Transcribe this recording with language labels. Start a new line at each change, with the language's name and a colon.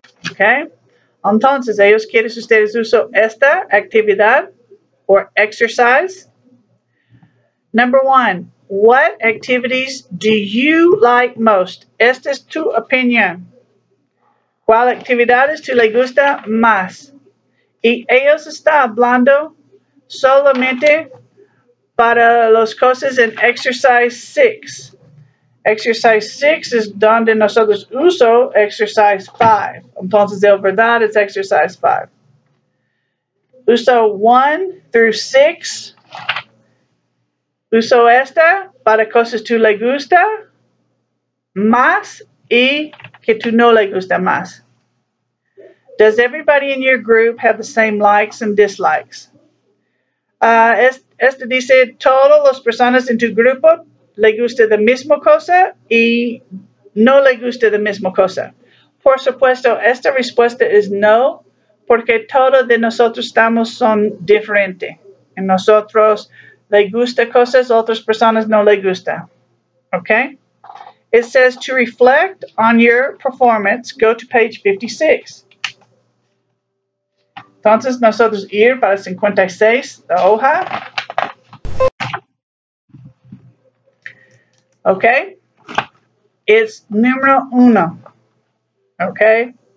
Spanish: Ok, entonces ellos quieren que ustedes usen esta actividad o exercise.
English: Number one, what activities do you like most?
Spanish: Esta es tu opinión. ¿Cuál actividades tú le gusta más? Y ellos están hablando solamente para las cosas en exercise 6. Exercise 6 es donde nosotros uso exercise 5. Entonces, de verdad, es exercise 5. Uso 1 through 6. Uso esta para cosas que le gusta más y que tú no le gusta más.
English: Does everybody in your group have the same likes and dislikes?
Spanish: Esto dice, todas las personas en tu grupo le gusta la misma cosa y no le gusta la misma cosa. Por supuesto, esta respuesta es no, porque todos de nosotros estamos son diferentes. En nosotros le gusta cosas, otras personas no le gusta.
English: Okay? It says to reflect on your performance, go to page 56.
Spanish: Entonces, nosotros ir para 56, la hoja.
English: Okay? It's
Spanish: número uno.
English: Okay?